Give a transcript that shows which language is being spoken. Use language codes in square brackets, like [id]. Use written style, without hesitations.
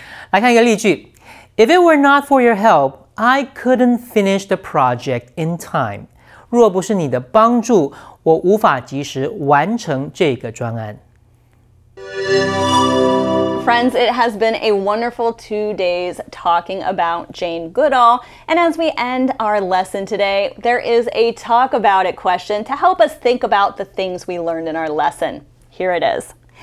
[zh] 来看一个例句 [en] ,If it were not for your help, I couldn't finish the project in time. [zh] 若不是你的帮助，我无法及时完成这个专案。 [en] Friends, it has been a wonderful 2 days talking about Jane Goodall. And as we end our lesson today, there is a talk about it question to help us think about the things we learned in our lesson. Here it is.